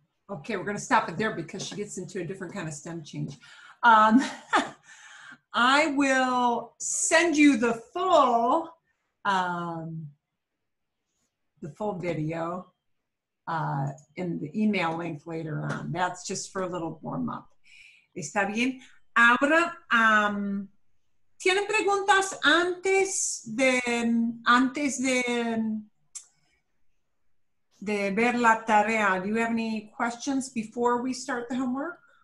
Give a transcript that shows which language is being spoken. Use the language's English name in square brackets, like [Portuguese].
[English] Okay, we're going to stop it there because she gets into a different kind of stem change. I will send you the full... the full video in the email link later on. That's just for a little warm up. [Spanish] ¿Está bien? Ahora, ¿tienen preguntas antes de ver la tarea? [English] Do you have any questions before we start the homework?